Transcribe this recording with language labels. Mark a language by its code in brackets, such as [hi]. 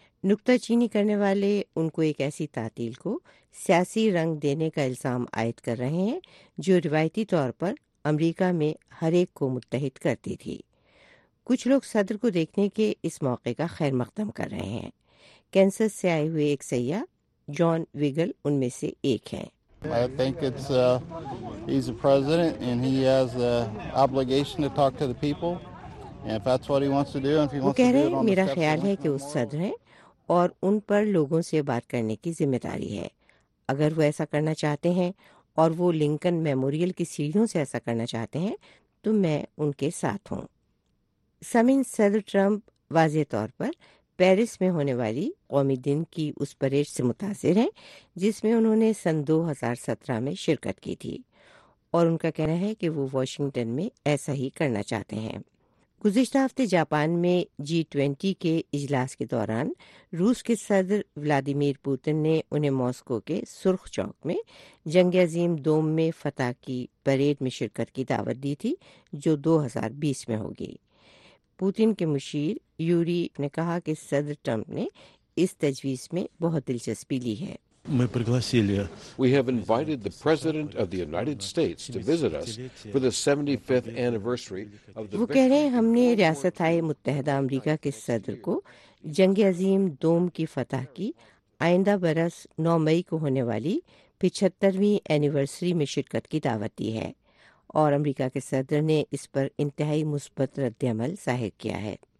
[ur] نکتہ چینی کرنے والے ان کو ایک ایسی تعطیل کو سیاسی رنگ دینے کا الزام عائد کر رہے ہیں جو روایتی طور پر امریکہ میں ہر ایک کو متحد کرتی تھی۔ کچھ لوگ صدر کو دیکھنے کے اس موقع کا خیر مقدم کر رہے ہیں۔ کینسس سے آئے ہوئے ایک سیاح جان ویگل ان میں سے ایک ہیں۔ [en] I think it's he's a president and he has the obligation to talk to the people and if that's what he wants to do and if he wants to do it on the steps, [ur] میرا خیال ہے کہ وہ صدر ہیں اور ان پر لوگوں سے بات کرنے کی ذمہ داری ہے۔ اگر وہ ایسا کرنا چاہتے ہیں اور وہ لنکن میموریل کی سیڑھیوں سے ایسا کرنا چاہتے ہیں تو میں ان کے ساتھ ہوں۔ سمن صدر ٹرمپ واضح طور پر پیرس میں ہونے والی قومی دن کی اس پریڈ سے متاثر ہیں جس میں انہوں نے سن 2017 میں شرکت کی تھی، اور ان کا کہنا ہے کہ وہ واشنگٹن میں ایسا ہی کرنا چاہتے ہیں۔ گزشتہ ہفتے جاپان میں G20 کے اجلاس کے دوران روس کے صدر ولادیمیر پوتن نے انہیں ماسکو کے سرخ چوک میں جنگ عظیم دوم میں فتح کی پریڈ میں شرکت کی دعوت دی تھی جو 2020 میں ہوگی۔ پوتن کے مشیر یوری نے کہا کہ صدر ٹرمپ نے اس تجویز میں بہت دلچسپی لی ہے۔ [en] We have invited the President of the United States to visit us for the 75th anniversary of the [ur] وہ کہہ رہے ہیں ہم نے ریاست متحدہ امریکہ کے صدر کو جنگ عظیم دوم کی فتح کی آئندہ برس 9 مئی کو ہونے والی 75th اینیورسری میں شرکت کی دعوت دی ہے، اور امریکہ کے صدر نے اس پر انتہائی مثبت رد عمل ظاہر کیا ہے۔